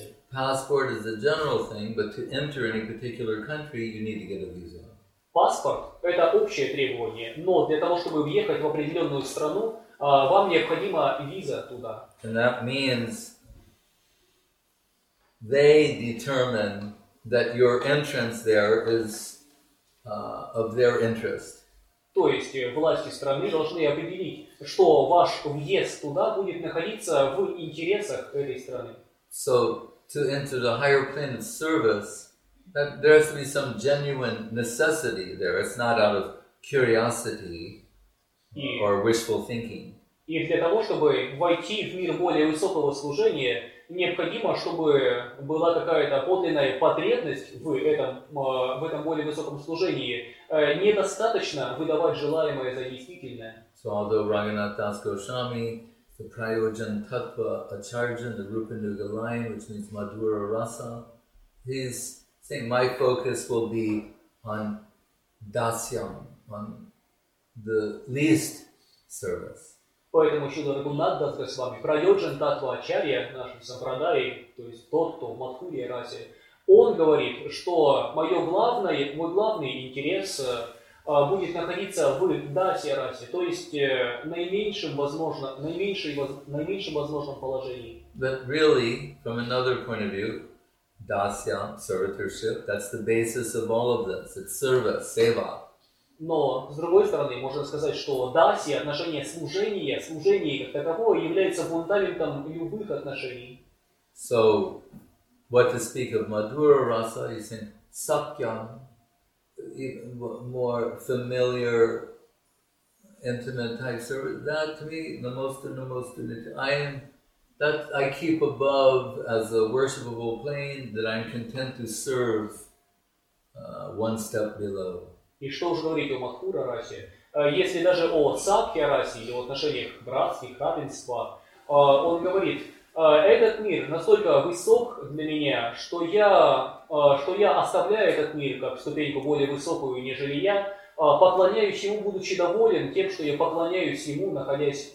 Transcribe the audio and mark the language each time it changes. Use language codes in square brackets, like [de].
[en] Passport is a general thing, but to enter any particular country, you need to get a visa. [ru] Паспорт – это общее требование, но для того, чтобы въехать в определенную страну, вам необходима виза туда. [en] And that means they determine that your entrance there is of their interest. [ru] То есть власти страны должны определить, что ваш въезд туда будет находиться в интересах этой страны. [en] So to enter the higher plane of service, that there has to be some genuine necessity there. It's not out of curiosity or wishful thinking. [ru] И для того, чтобы войти в мир более высокого служения, необходимо, чтобы была какая-то подлинная потребность в этом более высоком служении. Недостаточно выдавать желаемое за действительное. [en] So although Raghunath Das Goswami, the Prayojan Tattva Acharjan, the Rupa Nuga line, which means Madhura Rasa, he's saying my focus will be on dasyam, on the least service. [ru] Поэтому Шрила Рагхунат Дас Госвами, Прайоджан Татва Ачарья, нашим сампрадай, то есть тот, кто в Мадхурия Расе, он говорит, что мой главный интерес будет находиться в Дасия Расе, то есть наименьшем возможном положении. [en] But really, from another point of view, Dasya, servitorship, that's the basis of all of this. It's service, seva. [ru] Но, с другой стороны, можно сказать, что даси, отношения служения, служение как таковое, является фундаментом любых отношений. [en] So, what to speak of Madhura Rasa, you say, Sakyam, more familiar, intimate type service, that to me, namostu, I keep above as a worshipable plane, that I'm content to serve one step below. [ru] И что уж говорить о Мадхура расе, если даже о Сакхья расе или в отношениях братских, равенства, он говорит, этот мир настолько высок для меня, что я оставляю этот мир как ступеньку более высокую, нежели я, поклоняюсь ему, будучи доволен тем, что я поклоняюсь ему, находясь